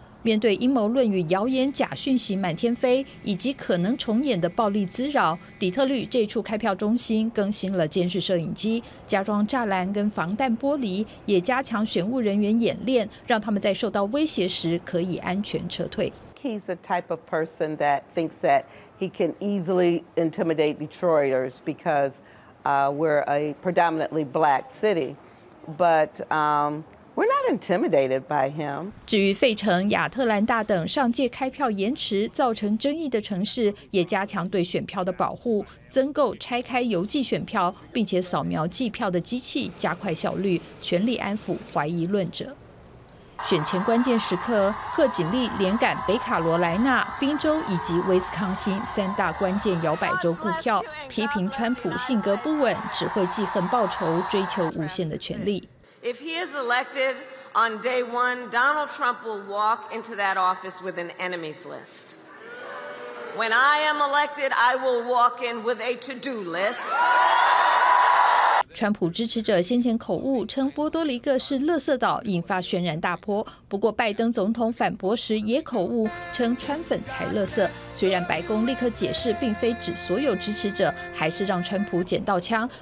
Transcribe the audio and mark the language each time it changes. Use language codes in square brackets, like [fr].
[zh] 面对阴谋论与谣言、假讯息满天飞，以及可能重演的暴力滋扰，底特律这处开票中心更新了监视摄影机，加装栅栏跟防弹玻璃，也加强选务人员演练，让他们在受到威胁时可以安全撤退。 [en] He's the type of person that thinks that he can easily intimidate Detroiters because we're a predominantly black city. But we're not intimidated by him. [zh] 至于费城、亚特兰大等上届开票延迟造成争议的城市，也加强对选票的保护，增购拆开邮寄选票，并且扫描计票的机器，加快效率，全力安抚怀疑论者。选前关键时刻，贺锦丽连赶北卡罗来纳、宾州以及威斯康星三大关键摇摆州顾票，批评川普性格不稳，只会记恨报仇，追求无限的权力。 [en] If he is elected on day one, Donald Trump will walk into that office with an enemies list. When I am elected, I will walk in with a to-do list. [zh] 川普支持者先前口误，称波多黎各是垃圾岛，引发轩然大波。不过拜登总统反驳时也口误，称川粉才垃圾。虽然白宫立刻解释并非指所有支持者，还是让川普捡到枪。